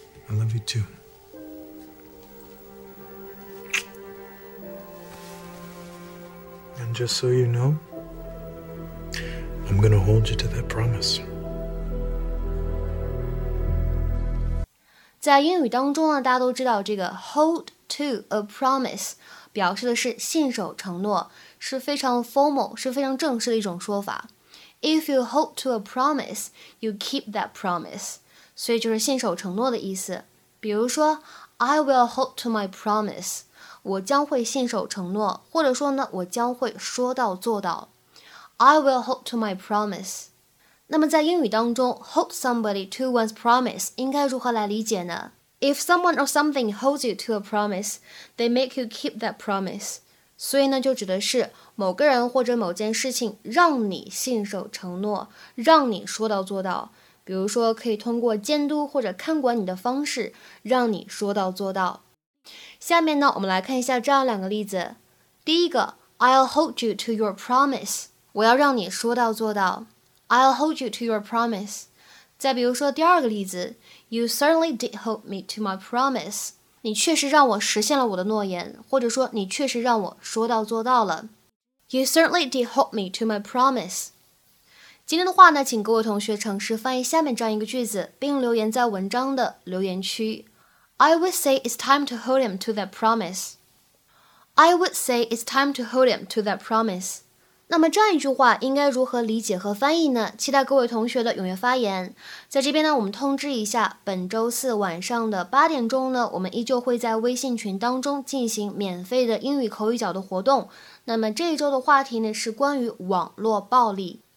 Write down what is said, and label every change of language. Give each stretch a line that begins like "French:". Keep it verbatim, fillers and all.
English: I love you, too. And just so you know, I'm gonna hold you to that promise.
Chinese: 在英语当中呢，大家都知道这个 hold to a promise 表示的是信守承诺，是非常 formal， 是非常正式的一种说法。
English: If you hold to a promise, you keep that promise，
Chinese: 所以就是信守承诺的意思。比如说 ，
English: I will hold to my promise，
Chinese: 我将会信守承诺，或者说呢，我将会说到做到。
English: I will hold to my promise。
Chinese: 那么在英语当中 hold somebody to one's promise 应该如何来理解呢？
English: If someone or something holds you to a promise, they make you keep that promise.
Chinese: 所以呢就指的是某个人或者某件事情让你信守承诺，让你说到做到。比如说可以通过监督或者看管你的方式让你说到做到。下面呢我们来看一下这样两个例子。第一个
English: I'll hold you to your promise.
Chinese: 我要让你说到做到。
English: I'll hold you to your promise.
Chinese: 再比如说第二个例子
English: You certainly did hold me to my promise.
Chinese: 你确实让我实现了我的诺言，或者说你确实让我说到做到了。
English: You certainly did hold me to my promise.
Chinese: 今天的话呢，请各位同学尝试翻译下面这样一个句子，并留言在文章的留言区。
English: I would say it's time to hold him to that promise. I would say it's time to hold him to that promise.
Chinese: 那么这样一句话应该如何理解和翻译呢？期待各位同学的踊跃发言。在这边呢，我们通知一下，本周四晚上的八点钟呢，我们依旧会在微信群当中进行免费的英语口语角的活动。那么这一周的话题呢是关于网络暴力。